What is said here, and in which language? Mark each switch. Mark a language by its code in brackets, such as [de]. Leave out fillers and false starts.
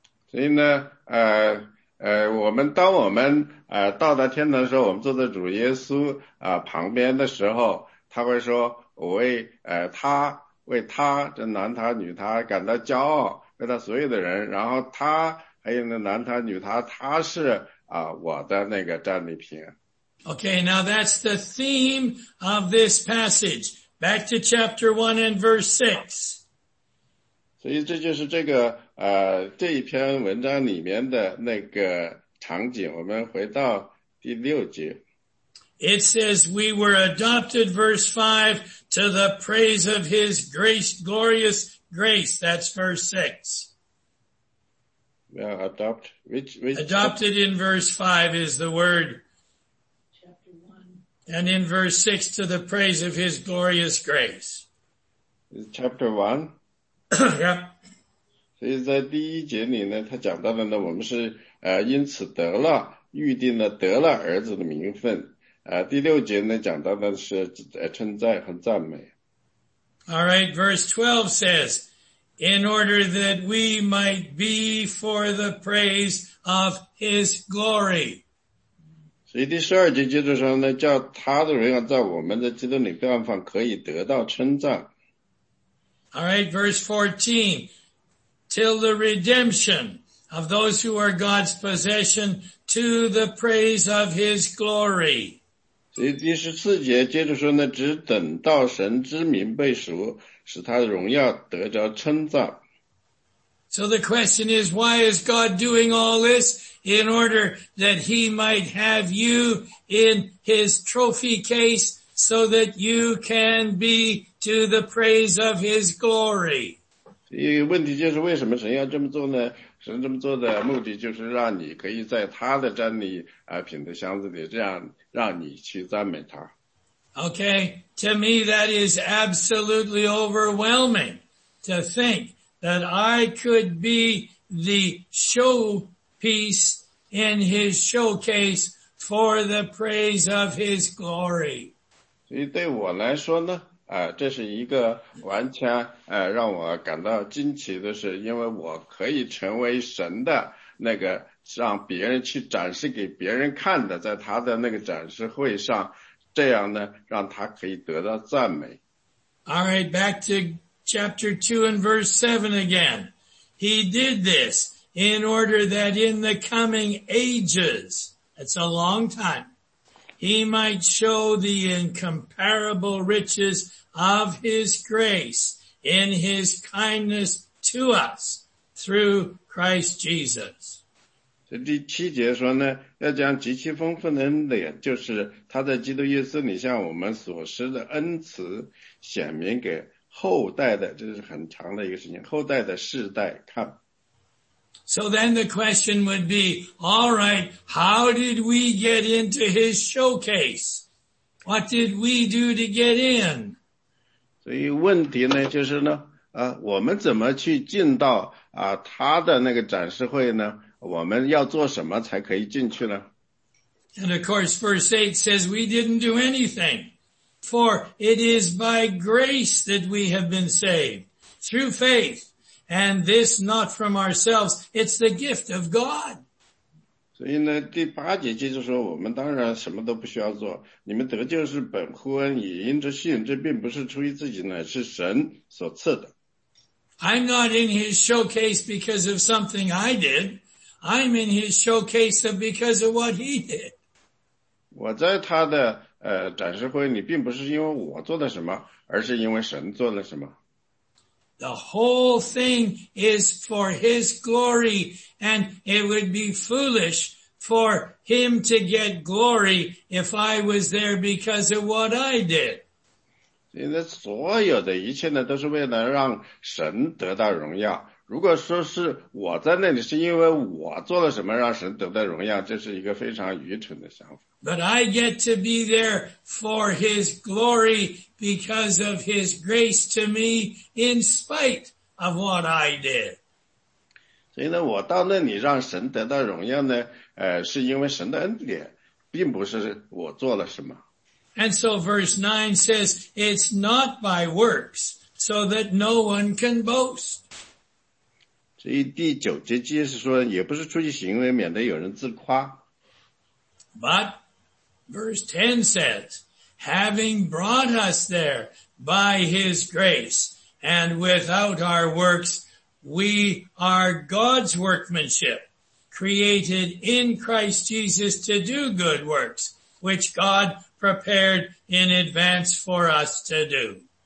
[zh] 所以呢我们当我们到达天堂的时候，我们坐在主耶稣旁边的时候，他会说我为他这男他女他感到骄傲，为他所有的人，然后他还有那男他女他是我的那个战利品。 [en] Okay, now that's the theme of this passage. Back to chapter 1 and verse 6. [zh] 所以这就是这个这一篇文章里面的那个场景，我们回到第六节。 [en] It says we were adopted, verse 5, to the praise of his grace, glorious grace. That's verse 6. We are adopted. Which adopted in verse 5 is the word. Chapter 1. And in verse 6, to the praise of his glorious grace. Is chapter 1? Yep. [zh] 所以在第一节里呢，他讲到的呢，我们是因此得了预定了得了儿子的名分。第六节呢讲到的是称赞和赞美。 [en] All right, verse 12 says, "In order that we might be for the praise of His glory." [zh] 所以第十二节接着说呢，叫他的荣耀在我们的基督里盼望可以得到称赞。 [en] All right, verse 14. Till the redemption of those who are God's possession to the praise of his glory. [zh] 第十四节接着说呢，只等到神之名被赎，使他的荣耀得着称赞。 [en] So the question is, why is God doing all this? In order that he might have you in his trophy case so that you can be to the praise of his glory. [zh] 所以问题就是为什么神要这么做呢？神这么做的目的就是让你可以在他的战利品的箱子里，这样让你去赞美他。 [en] Okay, to me that is absolutely overwhelming to think that I could be the showpiece in his showcase for the praise of his glory. [zh] 所以对我来说呢，这是一个完全让我感到惊奇的事，因为我可以成为神的那个让别人去展示给别人看的，在他的那个展示会上，这样呢让他可以得到赞美。 [en] All right, back to chapter 2 and verse 7 again. He did this in order that in the coming ages, that's a long time,He might show the incomparable riches of his grace in his kindness to us through Christ Jesus. [zh] 这第七节说呢，要将极其丰富的恩典，就是他在基督耶稣里向我们所施的恩慈，显明给后代的，这是很长的一个事情，后代的世代看。 [en] So then the question would be, all right, how did we get into his showcase? What did we do to get in? [zh] 所以问题呢就是呢我们怎么去进到他的那个展示会呢？我们要做什么才可以进去呢？ [en] And of course, verse 8 says we didn't do anything, for it is by grace that we have been saved, through faith. And this not from ourselves, it's the gift of God. [zh] 所以呢第八节接着说，我们当然什么都不需要做，你们得救是本乎恩，也因着信，这并不是出于自己，乃是神所赐的。 [en] I'm not in his showcase because of something I did. I'm in his showcase because of what he did. [zh] 我在他的展示会里并不是因为我做了什么，而是因为神做了什么。 [en] The whole thing is for his glory, and it would be foolish for him to get glory if I was there because of what I did. [zh] 现在所有的一切呢，都是为了让神得到荣耀。如果说是我在那里是因为我做了什么让神得到荣耀，这是一个非常愚蠢的想法。 [en] But I get to be there for his glory because of his grace to me in spite of what I did. [zh] 所以呢，我到那里让神得到荣耀呢，是因为神的恩典，并不是我做了什么。 [en] And so verse 9 says, it's not by works, so that no one can boast. [zh] 所以第九节即是说，也不是出于行为，免得有人自夸。 [en] But verse 10 says, having brought us there by his grace, and without our works, we are God's workmanship, created in Christ Jesus to do good works, which God prepared in advance for us to do.